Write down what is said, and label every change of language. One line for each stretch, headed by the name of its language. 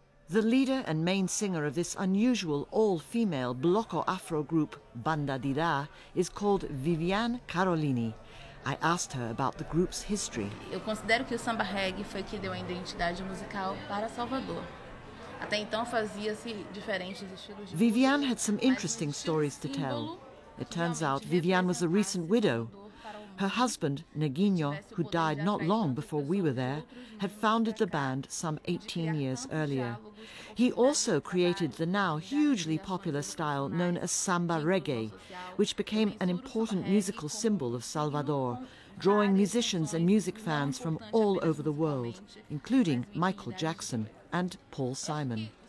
English: The leader and main singer of this unusual all-female bloco afro group, Banda Dida, is called Viviane Carolini. I asked her about the group's history.
Portuguese: Eu considero que o samba reggae foi o que deu a identidade musical para Salvador. Até então fazia-se diferentes estilos de...
English: Viviane had some interesting stories to tell. It turns out Viviane was a recent widow. Her husband, Neguinho, who died not long before we were there, had founded the band some 18 years earlier. He also created the now hugely popular style known as samba reggae, which became an important musical symbol of Salvador, drawing musicians and music fans from all over the world, including Michael Jackson and Paul Simon.